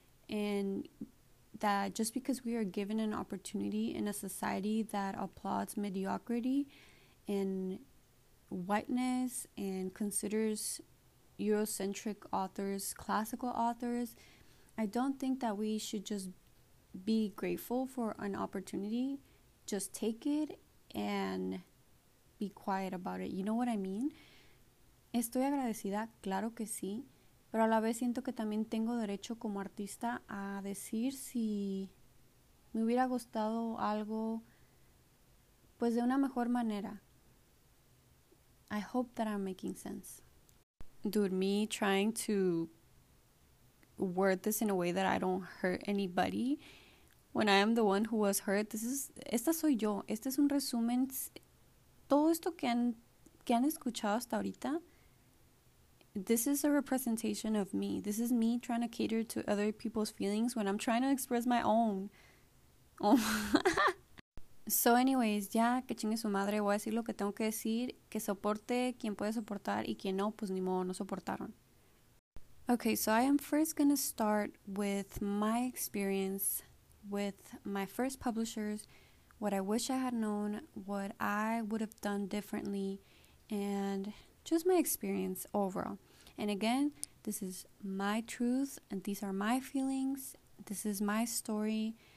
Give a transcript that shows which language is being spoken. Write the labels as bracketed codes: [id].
[en] And that just because we are given an opportunity in a society that applauds mediocrity and whiteness and considers Eurocentric authors, classical authors, I don't think that we should just be grateful for an opportunity, just take it and be quiet about it. You know what I mean? [es] Estoy agradecida, claro que sí, pero a la vez siento que también tengo derecho como artista a decir si me hubiera gustado algo, pues de una mejor manera. [en] I hope that I'm making sense. Dude, me trying to word this in a way that I don't hurt anybody when I am the one who was hurt. [es] Esta soy yo. Este es un resumen. Todo esto que han escuchado hasta ahorita. [en] This is a representation of me. This is me trying to cater to other people's feelings when I'm trying to express my own. Oh. So anyways, [es] ya que chingue su madre, voy a decir lo que tengo que decir, que soporte quien puede soportar y quien no, pues ni modo, no soportaron. [en] Okay, so I am first gonna start with my experience with my first publishers, what I wish I had known, what I would have done differently, and just my experience overall. And again, this is my truth, and these are my feelings, this is my story.